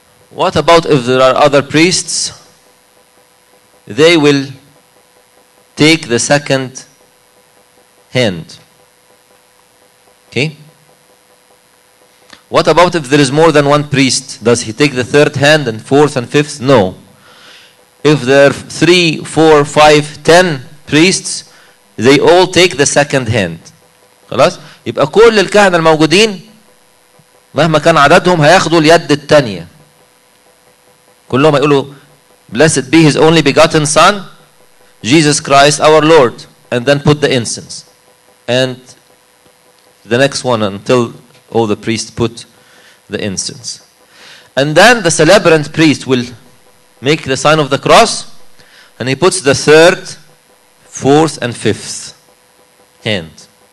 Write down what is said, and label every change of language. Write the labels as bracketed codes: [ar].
[en] What about if there are other priests? They will take the second hand. Okay? What about if there is more than one priest? Does he take the third hand and fourth and fifth? No. If there are 3, 4, 5, 10 priests, they all take the second hand. [ar] خلاص؟ يبقى كل الكهنة الموجودين مهما كان عددهم هياخدوا اليد التانية. كلهم هيقولوا [en] blessed be his only begotten son, Jesus Christ our Lord. And then put the incense. And the next one until all the priests put the incense. And then the celebrant priest will make the sign of the cross, and he puts the third, fourth, and fifth hand.